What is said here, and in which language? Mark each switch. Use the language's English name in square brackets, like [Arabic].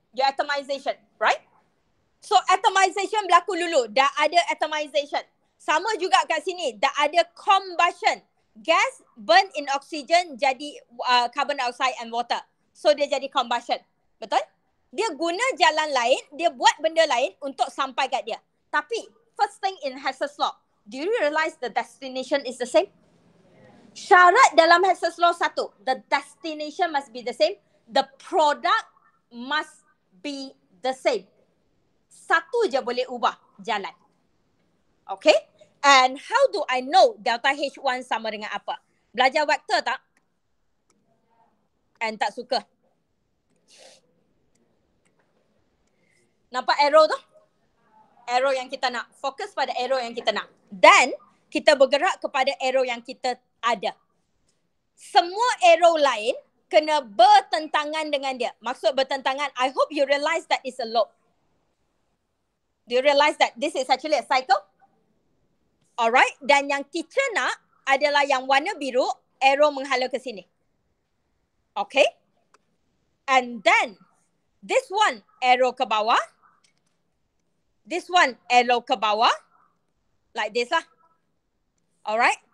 [English] Your atomization, right? So atomization [Malay] berlaku dulu. Dah ada atomization. Sama juga kat sini. Dah ada combustion. [English] Gas burn in oxygen jadi carbon dioxide and water. [Malay] So dia jadi combustion. Betul? Dia guna jalan lain, dia buat benda lain untuk sampai kat dia. [English] Tapi first thing in Hess's law, do you realize the destination is the same? [Malay] Syarat dalam Hess's law satu, [English] the destination must be the same, the product must be the same. [Malay] Satu je boleh ubah jalan. [English] Okay? And how do I know delta H1 [Malay] sama dengan apa? Belajar vektor tak? [English] And [Malay] tak suka. Nampak arrow tu? Arrow yang kita nak. Fokus pada arrow yang kita nak. Then, kita bergerak kepada arrow yang kita ada. Semua arrow lain kena bertentangan dengan dia. Maksud bertentangan, [English] I hope you realize that it's a loop. Do you realize that this is actually a cycle? [Malay] Alright, dan yang kita nak adalah yang warna biru, arrow menghala ke sini. [English] Okay? And then, this one, arrow [Malay] ke bawah. [English] This one, arrow [Malay] ke bawah. [English] Like this lah. Alright?